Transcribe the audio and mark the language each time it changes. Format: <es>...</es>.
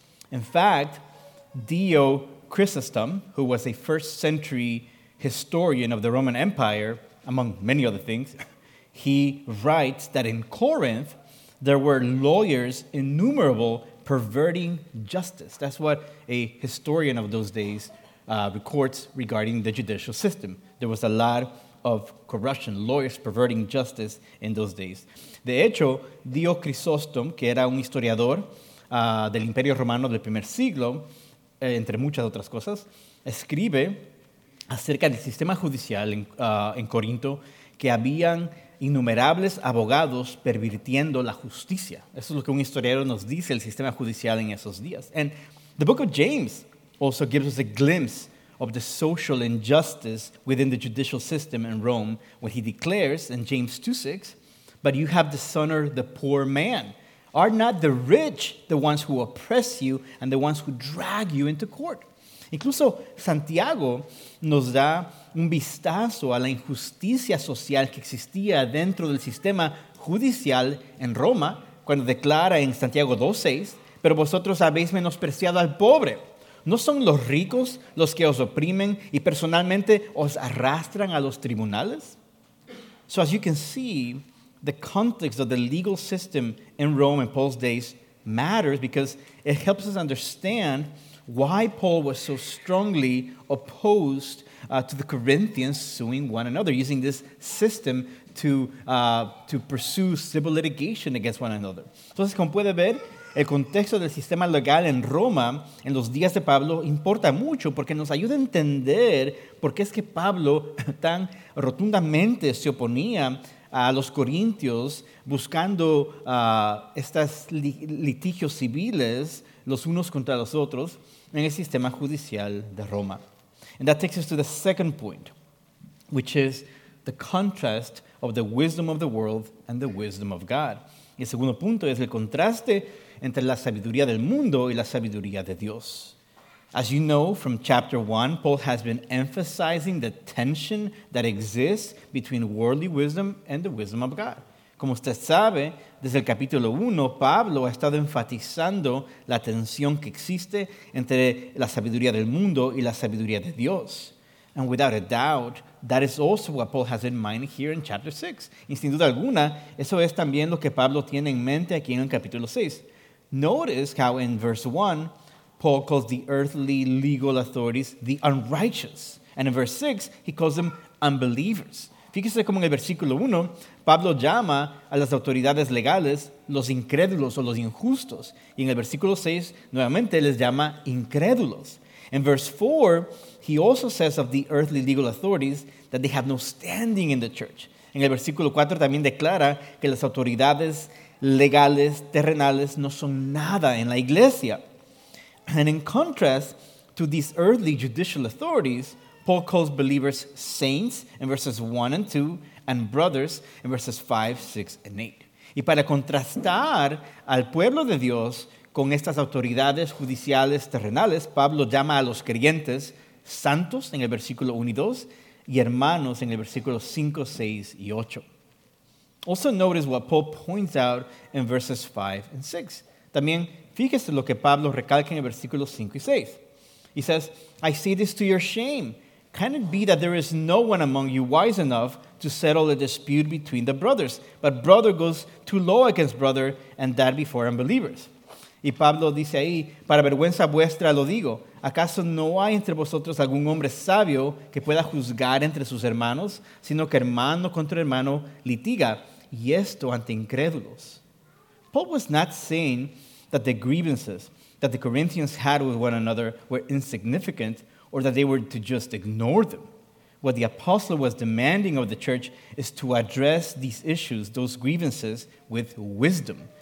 <en>In fact, Dio Chrysostom, who was a first century historian of the Roman Empire, among many other things, he writes that in Corinth, there were lawyers innumerable perverting justice. That's what a historian of those days records regarding the judicial system. There was a lot of corruption, lawyers perverting justice in those days.</en> <es>De hecho, Dio Crisóstom, que era un historiador del Imperio Romano del primer siglo, entre muchas otras cosas, escribe acerca del sistema judicial en Corinto, que habían innumerables abogados pervirtiendo la justicia. Eso es lo que un historiador nos dice del sistema judicial en esos días.</es> <en>And the book of James also gives us a glimpse of the social injustice within the judicial system in Rome when he declares in James 2:6, "But you have dishonored the poor man. Are not the rich the ones who oppress you and the ones who drag you into court?"</en> <es>Incluso Santiago nos da un vistazo a la injusticia social que existía dentro del sistema judicial en Roma cuando declara en Santiago 2:6, "Pero vosotros habéis menospreciado al pobre. ¿No son los ricos los que os oprimen y personalmente os arrastran a los tribunales?"</es> <en>So as you can see, the context of the legal system in Rome in Paul's days matters because it helps us understand why Paul was so strongly opposed to the Corinthians suing one another, using this system to pursue civil litigation against one another.</en> <es>Entonces, como puede ver, el contexto del sistema legal en Roma en los días de Pablo importa mucho porque nos ayuda a entender por qué es que Pablo tan rotundamente se oponía a los corintios buscando estas litigios civiles los unos contra los otros en el sistema judicial de Roma.</es> <en>And that takes us to the second point, which is the contrast of the wisdom of the world and the wisdom of God.</en> <es>Y el segundo punto es el contraste entre la sabiduría del mundo y la sabiduría de Dios.</es> <en>As you know from chapter 1, Paul has been emphasizing the tension that exists between worldly wisdom and the wisdom of God.</en> <es>Como usted sabe, desde el capítulo 1, Pablo ha estado enfatizando la tensión que existe entre la sabiduría del mundo y la sabiduría de Dios.</es> <en>And without a doubt, that is also what Paul has in mind here in chapter 6.</en> <es>Y sin duda alguna, eso es también lo que Pablo tiene en mente aquí en el capítulo 6.</es> <en>Notice how in verse 1, Paul calls the earthly legal authorities the unrighteous. And in verse 6, he calls them unbelievers.</en> <es>Fíjese cómo en el versículo 1, Pablo llama a las autoridades legales los incrédulos o los injustos. Y en el versículo 6, nuevamente, les llama incrédulos.</es> <en>In verse 4, he also says of the earthly legal authorities that they have no standing in the church.</en> <es>En el versículo 4, también declara que las autoridades legales, terrenales, no son nada en la iglesia.</es> <en>And in contrast to these earthly judicial authorities, Paul calls believers saints in verses 1 and 2, and brothers in verses 5, 6, and 8.</en> <es>Y para contrastar al pueblo de Dios con estas autoridades judiciales terrenales, Pablo llama a los creyentes santos en el versículo 1 y 2, y hermanos en el versículo 5, 6, y 8.</es> <en>Also notice what Paul points out in verses 5 and 6.</en> <es>También fíjese lo que Pablo recalca en el versículo 5 y 6.</es> <en>He says, "I say this to your shame. Can it be that there is no one among you wise enough to settle a dispute between the brothers? But brother goes to law against brother, and that before unbelievers."</en> <es>Y Pablo dice ahí, "Para vergüenza vuestra lo digo. ¿Acaso no hay entre vosotros algún hombre sabio que pueda juzgar entre sus hermanos, sino que hermano contra hermano litiga, y esto ante incrédulos?"</es> <en>Paul was not saying that the grievances that the Corinthians had with one another were insignificant or that they were to just ignore them. What the apostle was demanding of the church is to address these issues, those grievances, with wisdom.</en>